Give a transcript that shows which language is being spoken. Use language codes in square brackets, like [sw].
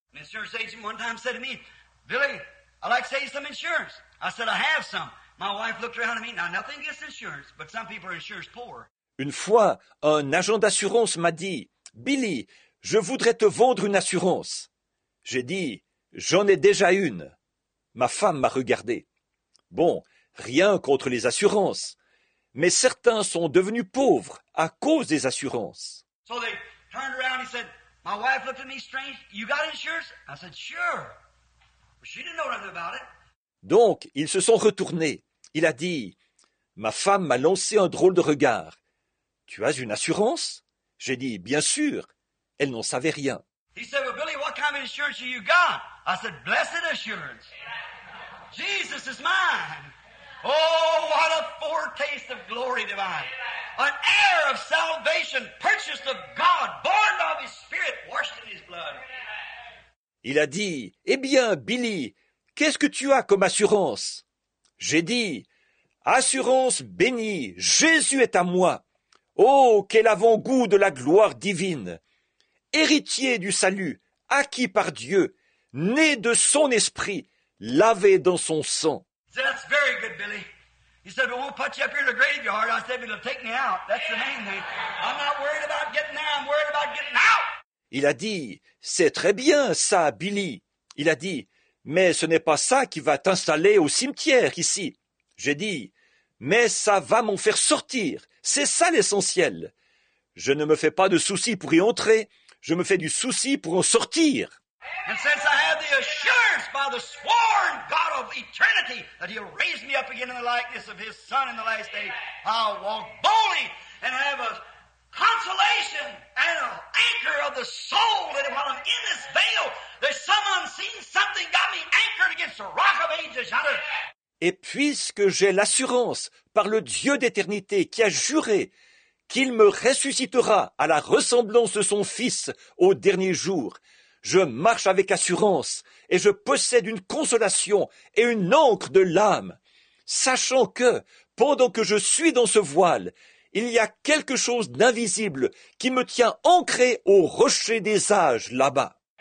[en] L'insurance agent one time said to me, Billy, I'd like to save some insurance. I said, I have some. My wife looked around at me, now nothing against insurance, but some people are insurance poor. [fr] Une fois, un agent d'assurance m'a dit, Billy, je voudrais te vendre une assurance. J'ai dit, j'en ai déjà une. Ma femme m'a regardé. Bon, rien contre les assurances, mais certains sont devenus pauvres à cause des assurances. [en] So they turned around and said, my wife looked at me strange. You got insurance? I said, sure. But she didn't know nothing about it. [fr] Donc, ils se sont retournés. Il a dit, ma femme m'a lancé un drôle de regard. Tu as une assurance? J'ai dit, bien sûr, elle n'en savait rien. [en] He said, well, Billy, what kind of insurance have you got? I said, blessed assurance. Jesus is mine. Oh, what a foretaste of glory divine. An heir of salvation, purchased of God, born of his spirit, washed in his blood. [fr] Il a dit, eh bien, Billy, qu'est-ce que tu as comme assurance? J'ai dit, assurance bénie, Jésus est à moi. Oh, quel avant-goût de la gloire divine, héritier du salut, acquis par Dieu, né de son esprit, lavé dans son sang. [en] That's very good, Billy. He said, well, we'll put you up here in the graveyard. I said, but it'll take me out. That's the main thing. I'm not worried about getting there. I'm worried about getting out. [fr] Il a dit, c'est très bien ça, Billy. Il a dit, mais ce n'est pas ça qui va t'installer au cimetière ici. J'ai dit, mais ça va m'en faire sortir. C'est ça l'essentiel. Je ne me fais pas de souci pour y entrer. Je me fais du souci pour en sortir. [en] And since I have the assurance by the sworn God of eternity that he'll raise me up again in the likeness of his son in the last day, I'll walk boldly and have a consolation and an anchor of the soul that while I'm in this veil, there's some unseen something got me anchored against the rock of ages. [fr] Et puisque j'ai l'assurance par le Dieu d'éternité qui a juré qu'il me ressuscitera à la ressemblance de son Fils au dernier jour, je marche avec assurance et je possède une consolation et une ancre de l'âme, sachant que, pendant que je suis dans ce voile, il y a quelque chose d'invisible qui me tient ancré au rocher des âges là-bas.